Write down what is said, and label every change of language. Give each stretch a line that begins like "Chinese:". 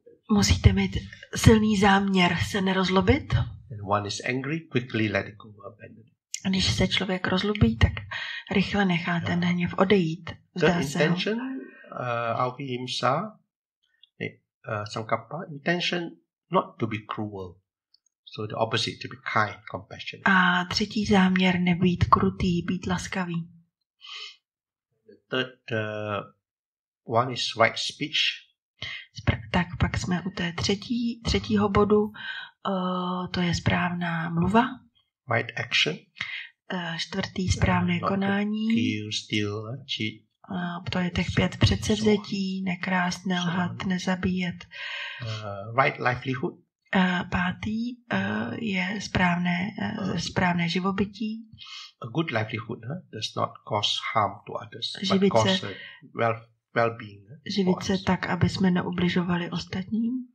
Czech: Musíte mít silný záměr se nerozlobit.
English: When one is angry, quickly let it go, abandon.
Czech: A když se člověk rozlubí, tak rychle nechá ten hněv odejít.
English: Intention, avihimsa, sankappa, intention not to be cruel. So the opposite, to be kind, compassionate.
Czech: A třetí záměr, nebýt krutý, být laskavý.
English: third one is right speech.
Czech: Tak pak jsme u té třetího bodu, to je správná mluva.
English: Right action.
Czech: Čtvrtý správné konání.
English: Kill, steal, cheat.
Czech: To je těch pět předsevzetí, nekrást, nelhat, nezabíjet.
English: Right livelihood.
Czech: Pátý je správné živobytí.
English: A good livelihood, does not cause harm to others, but causes well-being.
Czech: Živit se tak, aby jsme neubližovali ostatním.